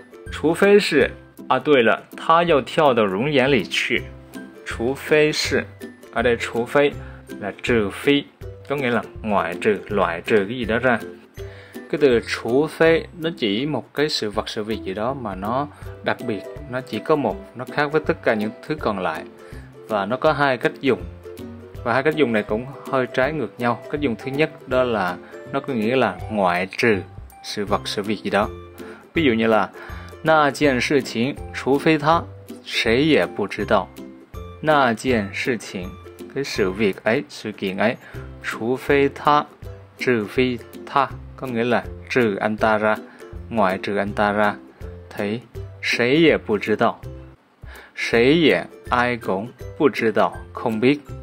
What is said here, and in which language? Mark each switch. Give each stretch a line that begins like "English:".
Chinese: 除非是啊，对了，他要跳到熔岩里去。除非是啊，对，除非那这非，中间了，
Vietnamese: ngoài trừ, loại trừ cái gì đó ra. Cái từ
Chinese: 除非
Vietnamese: nó chỉ một cái sự vật sự việc gì đó mà nó đặc biệt, nó chỉ có một, nó khác với tất cả những thứ còn lại, và nó có hai cách dùng, và hai cách dùng này cũng hơi trái ngược nhau. Cách dùng thứ nhất đó là nó có nghĩa là ngoại trừ sự vật sự việc gì đó. Ví dụ như là
Chinese: 那件事情除非他谁也不知道。那件事情
Vietnamese: cái sự việc ấy, sự kiện ấy,
Chinese: 除非他,
Vietnamese: trừ phi ta, có nghĩa là trừ anh ta ra, ngoài trừ anh ta ra, thì
Chinese: 谁也不知道。谁也
Vietnamese: ai cũng
Chinese: 不知道,
Vietnamese: không biết.